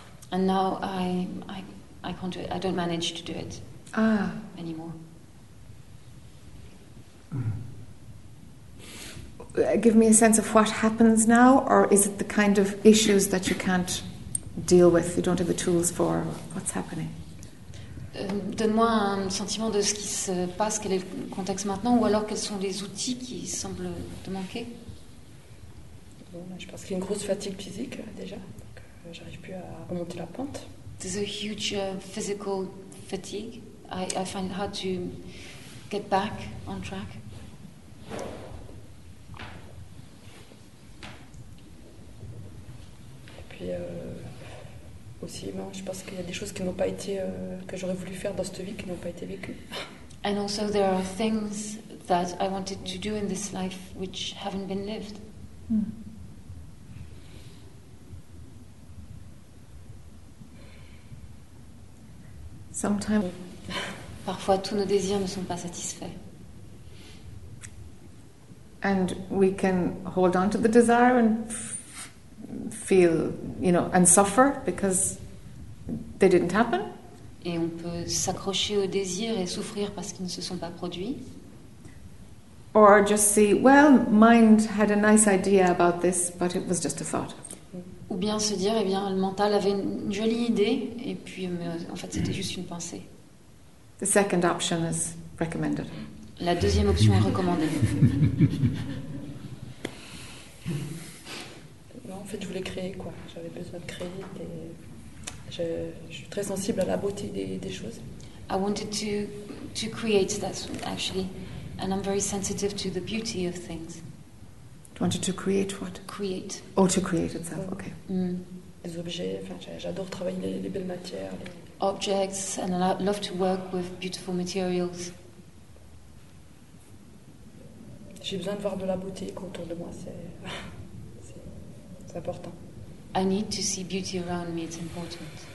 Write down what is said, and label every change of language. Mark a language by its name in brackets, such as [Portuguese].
[English] And now I can't do it. I don't manage to do it. Anymore. Give me a sense of what happens now, or is it the kind of issues that you can't deal with, you don't have the tools for? What's happening? [French] Donne-moi un sentiment de ce qui se passe, quel est le contexte maintenant, ou alors quels sont les outils qui semblent te manquer. Je pense qu'il y a une grosse fatigue physique déjà, donc j'arrive plus à remonter la pente. [English] There's a huge physical fatigue. I find it hard to get back on track. [French] Et puis aussi, ben, je pense qu'il y a des choses qui n'ont pas été que j'aurais voulu faire dans cette vie qui n'ont pas été vécues. [English] And also, there are things that I wanted to do in this life which haven't been lived. Sometimes, [French] parfois, tous nos désirs ne sont pas satisfaits. [English] And we can hold on to the desire and feel, you know, and suffer because they didn't happen. [French] Et on peut s'accrocher au désir et souffrir parce qu'ils ne se sont pas produits. [English] Or just see, well, mind had a nice idea about this, but it was just a thought. [French] Ou bien se dire, eh bien, le mental avait une jolie idée, et puis, en fait, c'était juste une pensée. [English] The second option is recommended. [French] La deuxième option est recommandée. Non, en fait, je voulais créer, quoi. J'avais besoin de créer. Je suis très sensible à la beauté des choses. [English] I wanted to create, that's actually. And I'm very sensitive to the beauty of things. Wanted to create what? Create. Oh, to create itself, okay. [French] Les objets, enfin, j'adore travailler les belles matières. [English] Objects, and I love to work with beautiful materials. [French] J'ai besoin de voir de la beauté autour de moi, c'est important. [English] I need to see beauty around me, it's important.